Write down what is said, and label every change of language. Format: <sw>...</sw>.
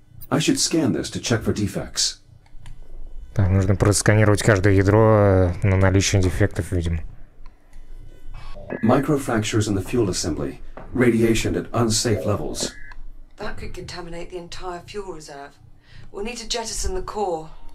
<en>I should scan this to check for defects.</en> <ru>Так, нужно просканировать каждое ядро на наличие дефектов, видимо.</ru> <en>Microfractures in the fuel assembly. Radiation at unsafe levels. That could contaminate the entire fuel reserve. We'll need to jettison the core.</en>